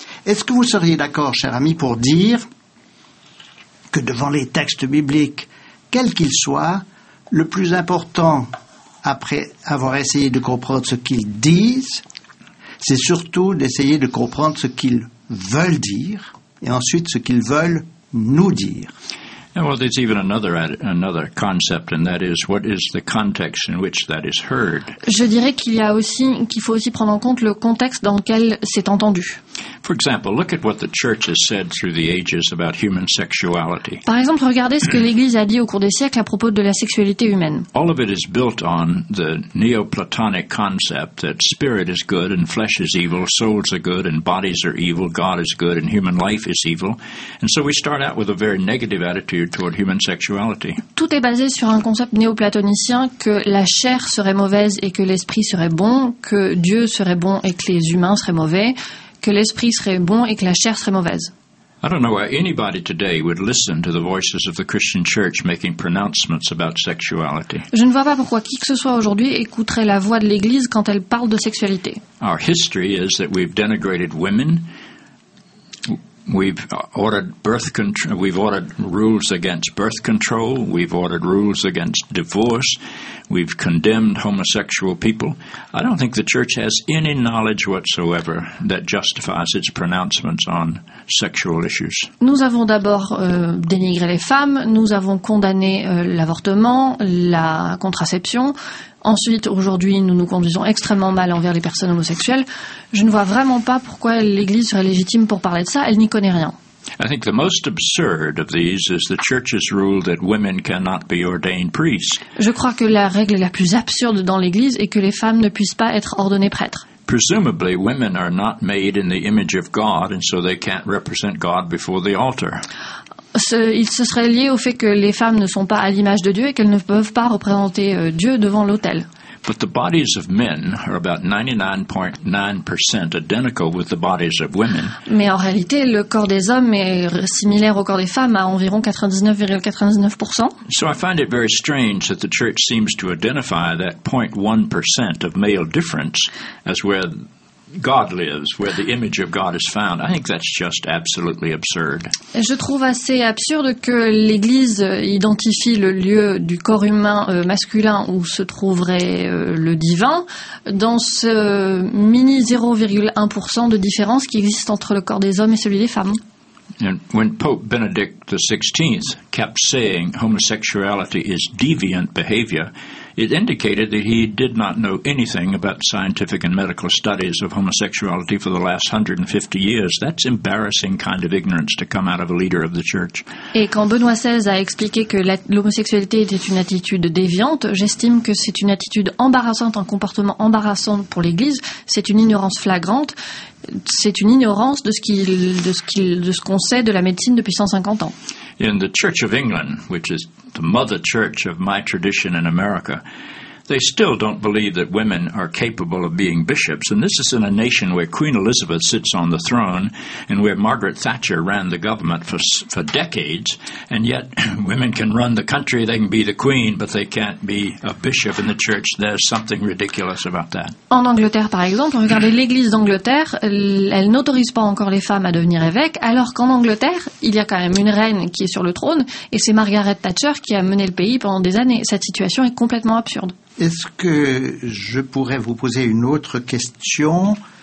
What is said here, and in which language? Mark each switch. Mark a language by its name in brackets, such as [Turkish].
[French] Est-ce que vous seriez d'accord, cher ami, pour dire que devant les textes bibliques, quels qu'ils soient, le plus important, après avoir essayé de comprendre ce qu'ils disent, c'est surtout d'essayer de comprendre ce qu'ils veulent dire, et ensuite ce qu'ils veulent nous dire. [English] Well, there's even another concept, and that is, what is the context in which that is heard? [French] Je dirais qu'il faut aussi prendre en compte le contexte dans lequel c'est entendu. [English] For example, look at what the church has said through the ages about human sexuality. [French] Par exemple, regardez ce que l'Église a dit au cours des siècles à propos de la sexualité humaine. [English] All of it is built on the Neoplatonic concept that spirit is good and flesh is evil, souls are good and bodies are evil, God is good and human life is evil. And so we start out with a very negative attitude toward human sexuality. [French] Tout est basé sur un concept néoplatonicien que la chair serait mauvaise et que l'esprit serait bon, que Dieu serait bon et que les humains seraient mauvais. Que l'esprit serait bon et que la chair serait mauvaise. [English] I don't know why anybody today would listen to the voices of the Christian Church making pronouncements about sexuality. [French] Je ne vois pas pourquoi qui que ce soit aujourd'hui écouterait la voix de l'Église quand elle parle de sexualité. [English] Our history is that we've denigrated women. We've ordered rules against birth control. We've ordered rules against divorce. We've condemned homosexual people. I don't think the church has any knowledge whatsoever that justifies its pronouncements on sexual issues. [French] Nous avons d'abord dénigré les femmes. Nous avons condamné l'avortement, la contraception. Ensuite, aujourd'hui, nous nous conduisons extrêmement mal envers les personnes homosexuelles. Je ne vois vraiment pas pourquoi l'Église serait légitime pour parler de ça. Elle n'y connaît rien. [English] I think the most absurd of these is the church's rule that women cannot be ordained priests. [French] Je crois que la règle la plus absurde dans l'Église est que les femmes ne puissent pas être ordonnées prêtres. [English] Presumably, women are not made in the image of God, and so they can't represent God before the altar. [French] Ce serait lié au fait que les femmes ne sont pas à l'image de Dieu et qu'elles ne peuvent pas représenter Dieu devant l'autel. [English] But the bodies of men are about 99.9% identical with the bodies of women. [French] Mais en réalité, le corps des hommes est similaire au corps des femmes à environ 99.99%. [English] So I find it very strange that the church seems to identify that 0.1% of male difference as where God lives, where the image of God is found. I think that's just absolutely absurd. [French] Je trouve assez absurde que l'Église identifie le lieu du corps humain masculin où se trouverait le divin dans ce mini 0,1% de différence qui existe entre le corps des hommes et celui des femmes. [English] And when Pope Benedict XVI kept saying homosexuality is deviant behavior, it indicated that he did not know anything about scientific and medical studies of homosexuality for the last 150 years. That's embarrassing kind of ignorance to come out of a leader of the church. [French] Et quand Benoît XVI a expliqué que l'homosexualité était une attitude déviante, j'estime que c'est une attitude embarrassante, un comportement embarrassant pour l'Église. C'est une ignorance flagrante. C'est une ignorance de ce qu'on sait de la médecine depuis 150 ans. [English] In the Church of England, which is the mother church of my tradition in America, they still don't believe that women are capable of being bishops. And this is in a nation where Queen Elizabeth sits on the throne and where Margaret Thatcher ran the government for decades. And yet women can run the country, they can be the queen, but they can't be a bishop in the church. There's something ridiculous about that. [French] En Angleterre, par exemple, regardez l'Église d'Angleterre, elle n'autorise pas encore les femmes à devenir évêques, alors qu'en Angleterre, il y a quand même une reine qui est sur le trône et c'est Margaret Thatcher qui a mené le pays pendant des années. Cette situation est complètement absurde. Est-ce que je pourrais vous poser une autre question?